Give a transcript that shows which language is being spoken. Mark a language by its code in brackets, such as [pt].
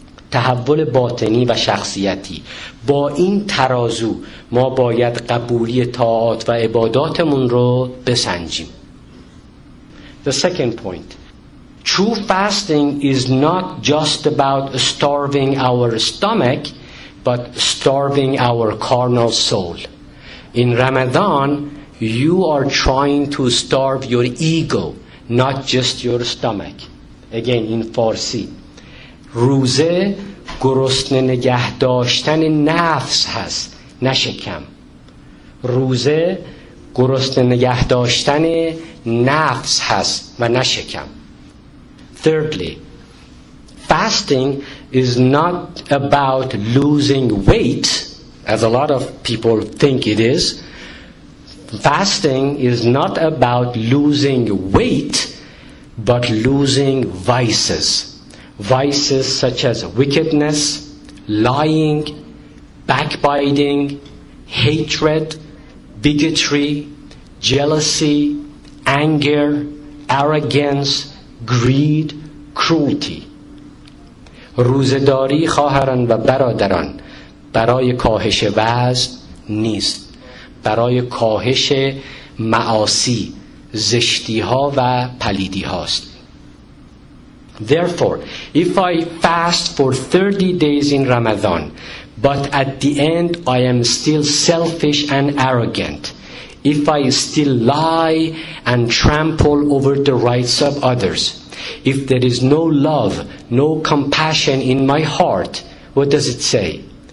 [fa] تحول باطنی و شخصیتی. با این ترازو ما باید قبولی طاعات و عباداتمون رو بسنجیم. [en] The second point. True fasting is not just about starving our stomach, but starving our carnal soul. In Ramadan, you are trying to starve your ego, not just your stomach. Again, in Farsi. [fa] روزه گرسنه نگه داشتن نفس هست، نه شکم. روزه گرسنه نگه داشتن نفس هست و نه شکم. [en] Thirdly, fasting is not about losing weight, as a lot of people think it is. Fasting is not about losing weight, but losing vices. Vices such as wickedness, lying, backbiting, hatred, bigotry, jealousy, anger, arrogance, greed, cruelty. [fa] روزداری خواهران و برادران برای کاهش وزن نیست، برای کاهش معاصی، زشتی ها و پلیدی هاست. [en] Therefore, if I fast for 30 days in Ramadan, but at the end I am still selfish and arrogant, if I still lie and trample over the rights of others, if there is no love, no compassion in my heart, what does it say?